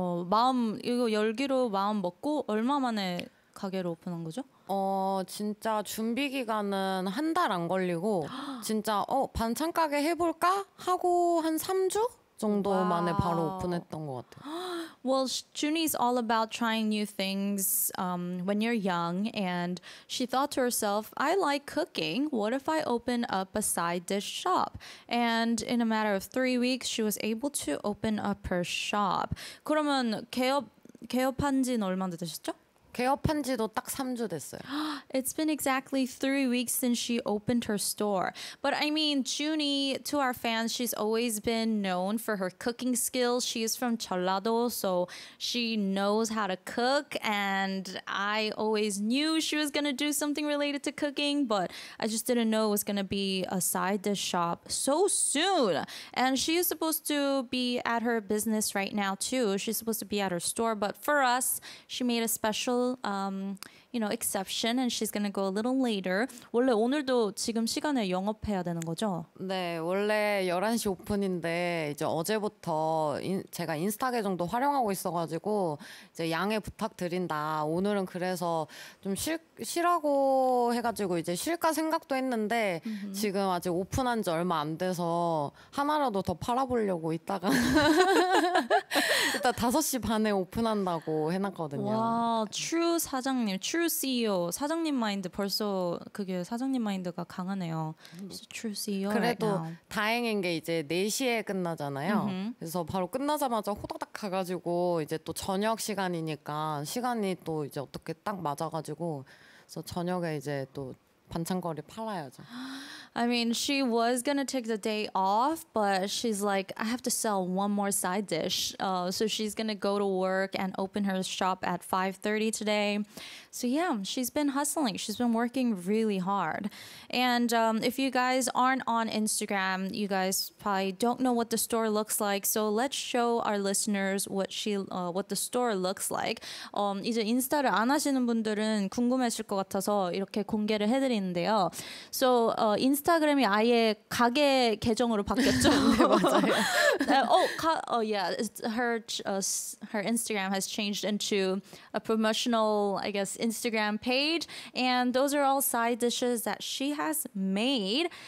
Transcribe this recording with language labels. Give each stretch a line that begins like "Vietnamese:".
Korean: 마음 이거 열기로 마음 먹고 얼마 만에 가게를 오픈한 거죠? 진짜 준비 기간은 한 달 안 걸리고 진짜 반찬 가게 해볼까 하고 한 3주 정도 와우. 만에 바로 오픈했던 것 같아요.
English: Well, Junie's all about trying new things when you're young, and she thought to herself, I like cooking. What if I open up a side dish shop? And in a matter of 3 weeks, she was able to open up her shop.
Korean: 그러면 개업한 지는 얼마나 되셨죠? 개업한 지도 딱 3주 됐어요.
English: It's been exactly 3 weeks since she opened her store. But I mean, Junie, to our fans, she's always been known for her cooking skills. She is from 전라도, so she knows how to cook. And I always knew she was going to do something related to cooking, but I just didn't know it was going to be a side dish shop so soon. And she is supposed to be at her business right now, too. She's supposed to be at her store. But for us, she made a special exception and she's gonna go a little later.
Korean: 원래 오늘도 지금 시간에 영업해야 되는 거죠? 네, 원래 11시 오픈인데 이제 어제부터 제가 인스타 계정도 활용하고 있어가지고 이제 양해 부탁드린다. 오늘은 그래서 좀 쉬라고 해가지고 이제 쉴까 생각도 했는데 mm-hmm. 지금 아직 오픈한 지 얼마 안 돼서 하나라도 더 팔아보려고 이따가 이따 5시 반에 오픈한다고 해놨거든요.
English: 와, true 사장님, true true CEO.
Korean: 사장님 마인드 벌써 그게 사장님 마인드가 강하네요.
English: So true CEO.
Korean: 그래도
English: right now.
Korean: 다행인 게 이제 4시에 끝나잖아요. Mm-hmm. 그래서 바로 끝나자마자 호다닥 가가지고 이제 또 저녁 시간이니까 시간이 또 이제 어떻게 딱 맞아가지고 그래서 저녁에 이제 또 반찬거리 팔아야죠.
English: I mean, she was gonna take the day off, but she's like, I have to sell one more side dish. So she's gonna go to work and open her shop at 5:30 today. So yeah, she's been hustling. She's been working really hard. And if you guys aren't on Instagram, you guys probably don't know what the store looks like. So let's show our listeners what she, what the store looks like.
Korean: 이제 인스타를 안 하시는 분들은 궁금하실 것 같아서 이렇게 공개를 해드리는데요. So 인스타그램이 아예 가게 계정으로 바뀌었죠. 네, 맞아요.
English: her Instagram has changed into a promotional, I guess, Instagram page, and those are all side dishes that she has made.